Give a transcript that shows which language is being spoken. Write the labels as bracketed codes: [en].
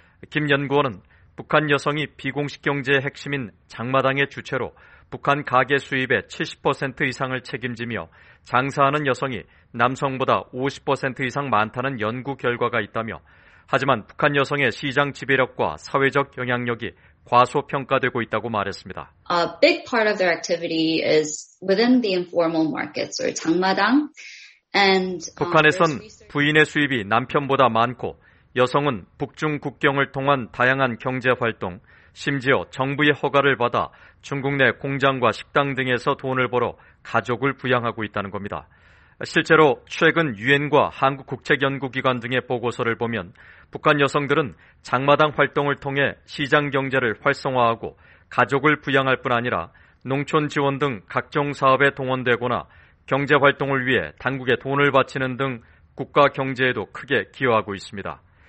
[ko] 김 연구원은 북한 여성이 비공식 경제의 핵심인 장마당의 주체로 북한 가계 수입의 70% 이상을 책임지며 장사하는 여성이 남성보다 50% 이상 많다는 연구 결과가 있다며 하지만 북한 여성의 시장 지배력과 사회적 영향력이 과소평가되고 있다고 말했습니다. [en] A big part of their activity is within the informal markets or 장마당. [ko] 북한에선 부인의 수입이 남편보다 많고 여성은 북중 국경을 통한 다양한 경제활동, 심지어 정부의 허가를 받아 중국 내 공장과 식당 등에서 돈을 벌어 가족을 부양하고 있다는 겁니다. 실제로 최근 유엔과 한국국책연구기관 등의 보고서를 보면 북한 여성들은 장마당 활동을 통해 시장 경제를 활성화하고 가족을 부양할 뿐 아니라 농촌 지원 등 각종 사업에 동원되거나 경제활동을 위해 당국에 돈을 바치는 등 국가 경제에도 크게 기여하고 있습니다.